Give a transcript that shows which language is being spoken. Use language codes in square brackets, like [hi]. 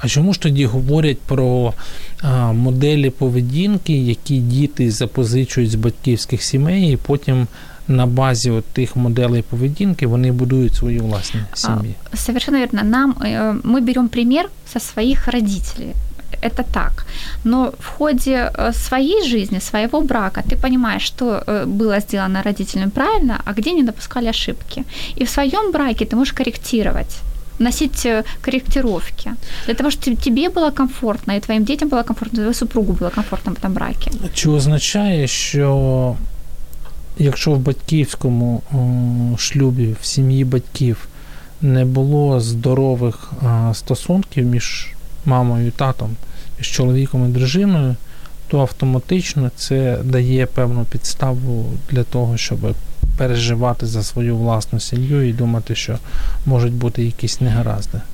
[uk] А чому ж тоді говорять про моделі поведінки, які діти запозичують з батьківських сімей, і потім на базі от тих моделей поведінки вони будують свої власні сім'ї? [ru] Совершенно верно. [uk] Ми беремо примір зі своїх батьків. [ru] Это так. Но в ходе своей жизни, своего брака, ты понимаешь, что было сделано родителями правильно, а где не допускали ошибки. И в своем браке ты можешь корректировать. Носить корректировки. [uk] Для того, щоб тобі було комфортно, і твоїм дітям було комфортно, і твоєму супругу було комфортно в цьому браку. Чи означає, що якщо в батьківському шлюбі, в сім'ї батьків не було здорових стосунків між мамою і татом, між чоловіком і дружиною, то автоматично це дає певну підставу для того, щоб переживати за свою власну сім'ю і думати, що можуть бути якісь негаразди.